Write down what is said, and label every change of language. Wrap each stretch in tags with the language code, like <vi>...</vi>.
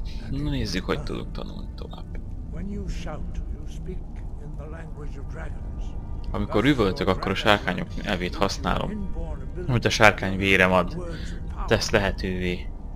<hu>Na nézzük, hogy tudok tanulni tovább.</hu> <en>When you shout, you speak in the language of dragons.</en> <hu>Amikor üvöltök, akkor a sárkányok nyelvét használom, amit a sárkány vérem ad, tesz lehetővé.</hu>